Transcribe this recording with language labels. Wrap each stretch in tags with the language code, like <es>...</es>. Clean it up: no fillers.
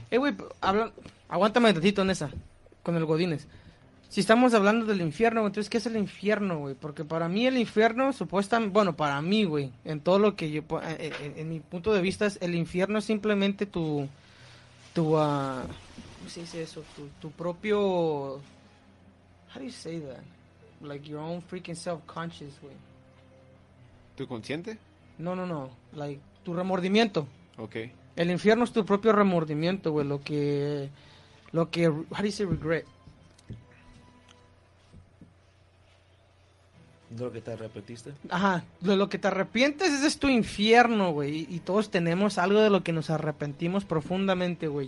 <es>Güey, aguántame un tantito en esa, con el Godínez. Si estamos hablando del infierno, entonces, ¿qué es el infierno, güey? Porque para mí el infierno, supuestamente, bueno, para mí, güey, en todo lo que yo, en mi punto de vista, es el infierno es simplemente tu ¿cómo se dice eso? Tu propio,</es> <en>how do you say that? Like your own freaking self-conscious, güey.</en> <es>¿Tu consciente? No. Like, tu remordimiento.</es> <en>Okay.</en> <es>El infierno es tu propio remordimiento, güey. Lo que...</es> <en>How do you say regret?</en> <es>¿De lo que te arrepentiste? Ajá. De lo que te arrepientes, ese es tu infierno, güey. Y todos tenemos algo de lo que nos arrepentimos profundamente, güey.</es>